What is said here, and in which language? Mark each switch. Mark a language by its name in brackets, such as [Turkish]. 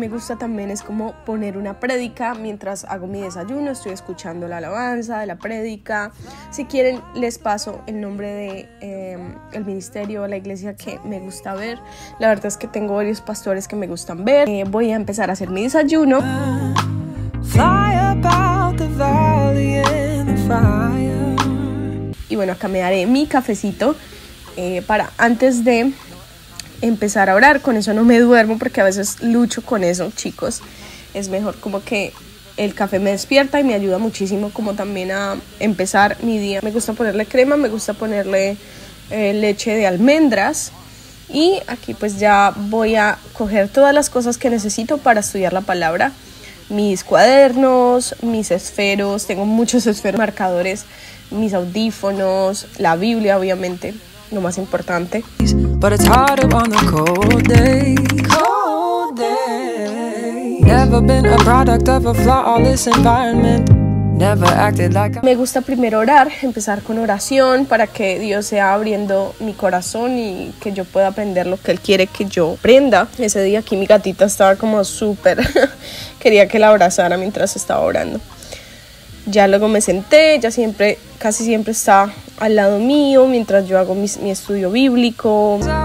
[Spanish] Me gusta también es como poner una prédica mientras hago mi desayuno. Estoy escuchando la alabanza de la prédica. Si quieren, les paso el nombre de el ministerio o la iglesia que me gusta ver. La verdad es que tengo varios pastores que me gustan ver. Voy a empezar a hacer mi desayuno. [English] Fly about the valley in the fire. [Spanish] Y bueno, acá me daré mi cafecito para antes de empezar a orar. Con eso no me duermo, porque a veces lucho con eso, chicos. Es mejor como que el café me despierta y me ayuda muchísimo como también a empezar mi día. Me gusta ponerle crema, me gusta ponerle leche de almendras. Y aquí pues ya voy a coger todas las cosas que necesito para estudiar la palabra. Mis cuadernos, mis esferos, tengo muchos esferos, marcadores, mis audífonos, la Biblia, obviamente, lo más importante. [English] But it's harder on the cold day. Cold day. Never been a product of a flawless environment. Never acted like a... [Spanish] Me gusta primero orar, empezar con oración para que Dios sea abriendo mi corazón y que yo pueda aprender lo que Él quiere que yo aprenda. Ese día aquí mi gatita estaba como súper, quería que la abrazara mientras estaba orando. Ya luego me senté, ya siempre, casi siempre está al lado mío mientras yo hago mi estudio bíblico.